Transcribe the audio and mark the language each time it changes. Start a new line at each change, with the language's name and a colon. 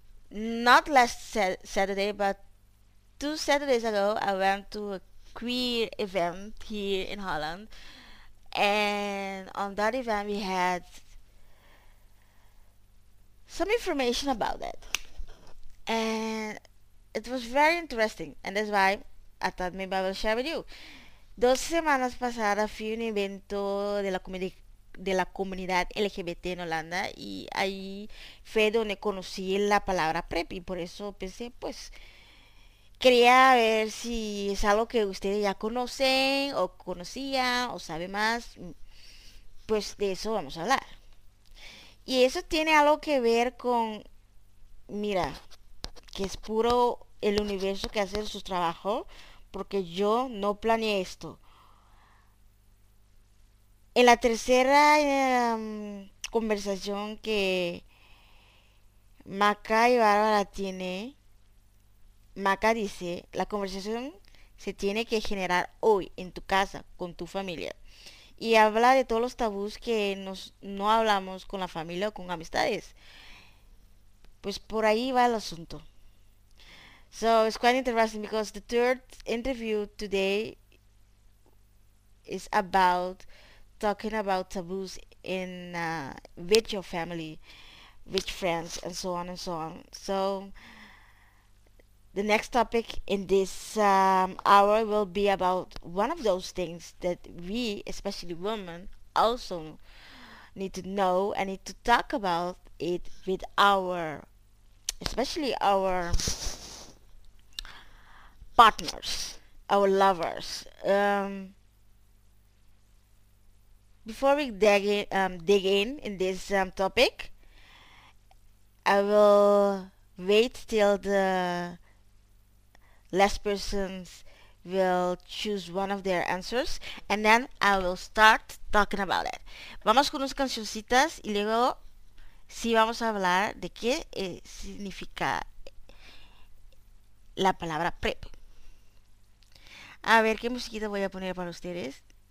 English: Not last Saturday, but two Saturdays ago, I went to a queer event here in Holland. And on that event, we had some information about that, and it was very interesting, and that's why I thought maybe I will share with you.
Spanish: Dos semanas pasadas fui a un evento de la comunidad LGBT en Holanda, y ahí fue donde conocí la palabra PrEP, y por eso pensé, pues, quería ver si es algo que ustedes ya conocen, o conocían, o saben más, pues de eso vamos a hablar. Y eso tiene algo que ver con, mira, que es puro el universo que hace su trabajo, porque yo no planeé esto. En la tercera conversación que Maca y Bárbara tiene, Maca dice, la conversación se tiene que generar hoy, en tu casa, con tu familia. Y habla de todos los tabús que no hablamos con la familia o con amistades. Pues por ahí va el asunto.
English: So it's quite interesting because the third interview today is about talking about taboos in with your family, with friends, and so on and so on. So the next topic in this hour will be about one of those things that we, especially women, also need to know and need to talk about it with our, especially our partners, our lovers. Before we dig in this topic, I will wait till the last persons will choose one of their answers, and then I will start talking about it.
Spanish: Vamos con unas cancioncitas y luego sí vamos a hablar de qué significa la palabra PrEP. A ver qué musiquita voy a poner para ustedes.